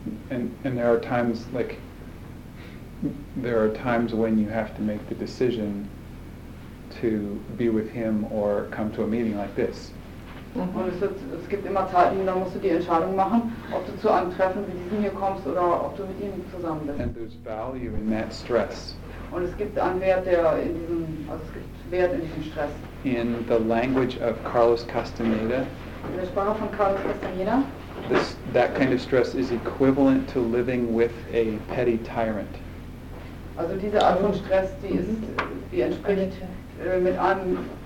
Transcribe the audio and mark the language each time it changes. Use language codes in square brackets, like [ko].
[en] And there are times when you have to make the decision to be with him or come to a meeting like this. [de] Und es gibt immer Zeiten, da musst du die Entscheidung machen, ob du zu einem Treffen wie diesem hier kommst oder ob du mit ihm zusammen bist. [en] And there's value in that stress. [de] Und es gibt einen Wert, es gibt Wert in diesem Stress. [en] In the language of Carlos Castaneda. [de] In der Sprache von Carlos Castaneda. [en] That kind of stress is equivalent to living with a petty tyrant. [de] Also diese Art von Stress, die entspricht mit einem